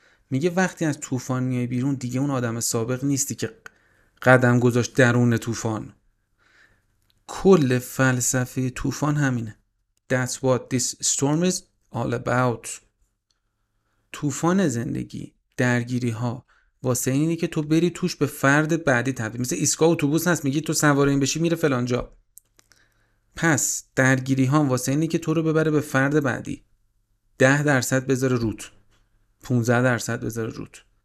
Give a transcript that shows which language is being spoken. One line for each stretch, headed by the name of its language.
Persian: میگه وقتی از طوفان میای بیرون، دیگه اون آدم سابق نیستی که قدم گذاشت درون طوفان. کل فلسفه طوفان همینه.
English: That's what this storm is all about.
Persian: طوفان زندگی، درگیری ها واسه اینه که تو بری توش به فرد بعدی تبدیل. مثل ایسکا اتوبوس هست، میگی تو سواره این بشی میره فلان جا. پس درگیری ها واسه اینه که تو رو ببره به فرد بعدی. 10% بذاره روت، 15% بذاره روت.